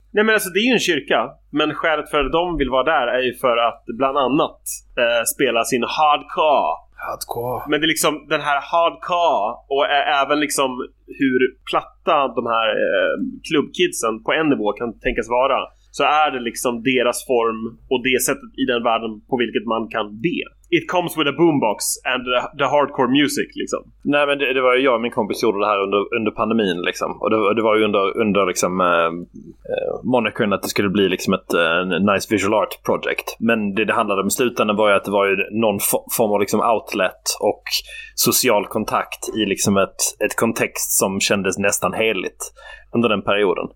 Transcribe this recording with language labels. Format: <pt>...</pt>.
<sv>Nej, men alltså, det är ju en kyrka. Men skälet för att de vill vara där är ju för att bland annat spela sin hardcore. Hardcore. Men det är liksom den här hardcore och även liksom hur platta de här klubbkidsen på en nivå kan tänkas vara, så är det liksom deras form och det sättet i den världen på vilket man kan be.</sv> <en>It comes with a boombox and the hardcore music liksom.</en> <sv>Nej, men det var ju jag och min kompis gjorde det här under pandemin liksom. Och det var ju under liksom monikern att det skulle bli liksom ett</sv> <en>nice visual art project.</en> <sv>Men det handlade om slutändan var ju att det var ju någon form av liksom outlet och social kontakt i liksom ett kontext som kändes nästan heligt under den perioden.</sv>